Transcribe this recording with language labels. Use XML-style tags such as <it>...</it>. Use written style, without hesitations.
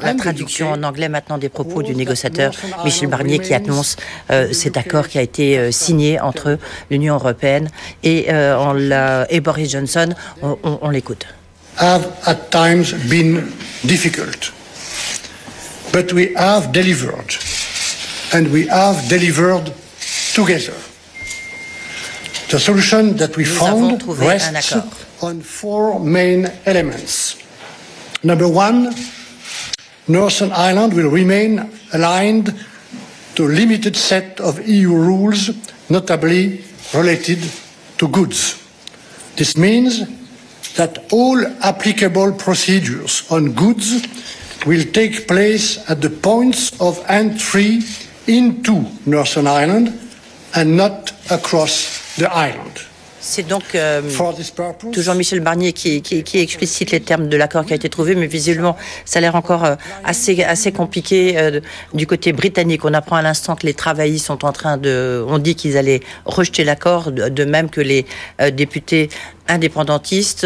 <fr>La traduction en anglais maintenant des propos du négociateur Michel Barnier qui annonce cet accord qui a été signé entre l'Union européenne et Boris Johnson. On l'écoute.</fr> <en>Have at times been difficult, but we have delivered, and we have delivered together. The solution that we found rests on 4 main elements. Number 1, Northern Ireland will remain aligned to a limited set of EU rules, notably related to goods. This means that all applicable procedures on goods will take place at the points of entry into Northern Ireland and not across the island.</en> <fr>C'est donc toujours Michel Barnier qui explicite les termes de l'accord qui a été trouvé, mais visiblement, ça a l'air encore assez compliqué du côté britannique. On apprend à l'instant que les travaillistes sont en train de... On dit qu'ils allaient rejeter l'accord, de même que les députés indépendantistes.</fr>